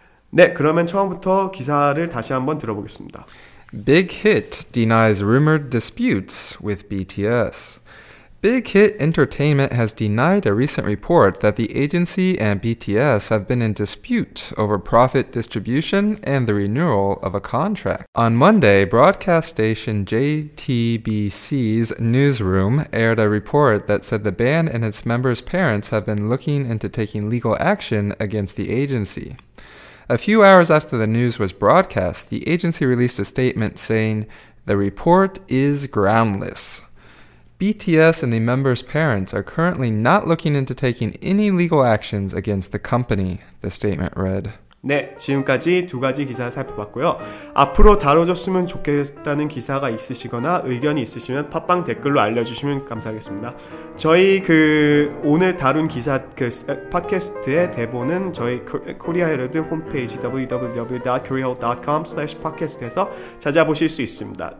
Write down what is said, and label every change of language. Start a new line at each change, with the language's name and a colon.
Korean: 네, 그러면 처음부터 기사를 다시 한번 들어보겠습니다.
English: Big Hit denies rumored disputes with BTS. Big Hit Entertainment has denied a recent report that the agency and BTS have been in dispute over profit distribution and the renewal of a contract. On Monday, broadcast station JTBC's newsroom aired a report that said the band and its members' parents have been looking into taking legal action against the agency. A few hours after the news was broadcast, the agency released a statement saying, "The report is groundless." BTS and the members' parents are currently not looking into taking any legal actions against the company, the statement read.
Korean: 네, 지금까지 두 가지 기사 살펴봤고요. 앞으로 다뤄줬으면 좋겠다는 기사가 있으시거나 의견이 있으시면 팟빵 댓글로 알려주시면 감사하겠습니다. 저희 그 오늘 다룬 기사 그 팟캐스트의 대본은 저희 코리아 헤럴드 홈페이지 www.koreaherald.com/podcast에서 찾아보실 수 있습니다.